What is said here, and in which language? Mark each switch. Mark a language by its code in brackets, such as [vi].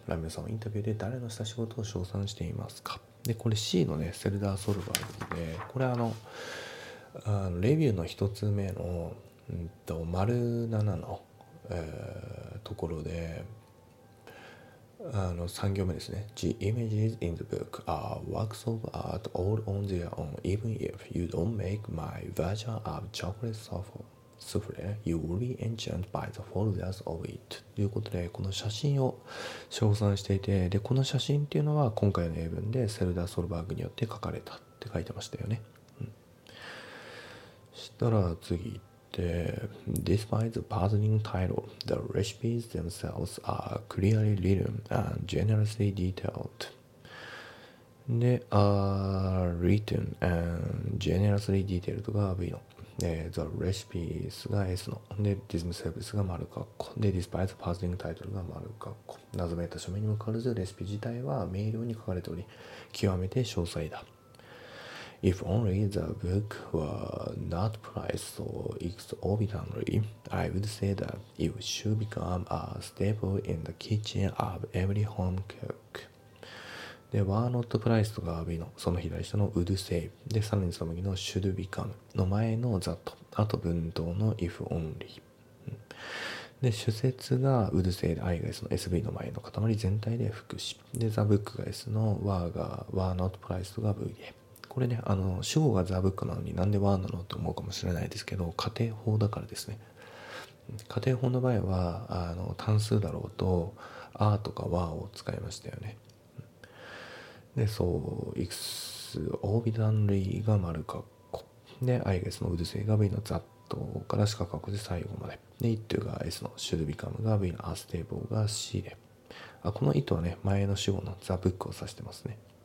[ja] ラミロさんのインタビューで誰のした仕事を称賛していますか。で、これ C のね、セルダーソルバーグで、これあのレビューの一つ目の、丸7の、ところで、あの3行目ですね。 [en] The images in the book are works of art all on their own. Even if you don't make my version of chocolate souffle, you will be enchanted by the folders of it. [ja] ということで、この写真を称賛していて、で、この写真っていうのは今回の英文でセルダー・ソルバーグによって書かれたって書いてましたよね。したら次。 [en] Despite the puzzling title, the recipes themselves are clearly written and generously detailed. They are written and generously detailed [ja] が B の。 [en] The recipes [ja] が S の。で、 [en] themselves [ja] が丸括弧。 [en] で、despite the puzzling title [ja] が丸括弧。謎めいた署名にもかかわらず、レシピ自体は明瞭に書かれており、極めて詳細だ。 [en] If only the book were not priced so exorbitantly, I would say that it should become a staple in the kitchen of every home cook. [ja] で、 [en] were not priced [ja] が B の、その左下の [en] would say。 [ja] で、さらにその右の [en] should become [ja] の前の [en] that。 [ja] あと文頭の [en] if only。 [ja] で、主節が [en] would say [ja] で I が S の SV の前の塊全体で副詞。で、 [en] the book [ja] が S の were が [en] were not priced [ja] が V で。これね、あの主語がザブックなのになんでワーなのって思うかもしれないですけど、仮定法だからですね。仮定法の場合はあの単数だろうとアーとかワーを使いましたよね。で、そうエクスオービダンリーが丸括弧で、アイが S のウルセイが V のザットから四角括弧で最後まで、でイットが S のシュルビカムが V のアステーブルが C で、あ、このイットはね前の主語のザブックを指してますね。